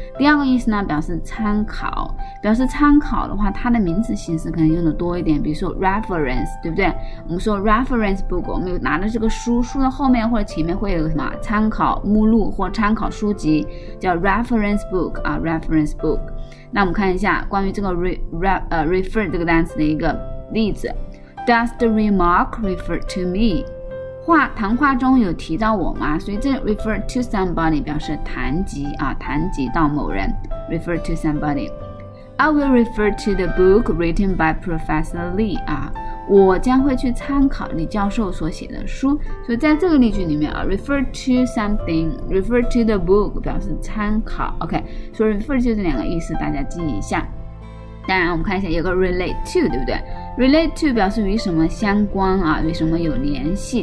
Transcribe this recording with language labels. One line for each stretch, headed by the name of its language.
Chinese: 第二个意思呢表示参考，表示参考的话它的名词形式可能用的多一点，比如说 reference， 对不对？我们说 reference book， 我们有拿着这个书，书的后面或者前面会有什么参考目录或参考书籍，叫 reference book reference book。那我们看一下关于这个 refer 这个单词的一个例子。
English: Does the remark refer to me？
Chinese: 话谈话中有提到我吗？所以这
English: refer to somebody
Chinese: 表示谈及谈及到某人
English: refer to somebody。 I will refer to the book written by Professor Lee
Chinese: 我将会去参考李教授所写的书。所以在这个例句里面啊
English: refer to something, refer to the book
Chinese: 表示参考。 OK, 所以 refer 就是两个意思，大家记一下。当然我们看一下，有个 relate to, 对不对？ relate to 表示与什么相关啊，与什么有联系。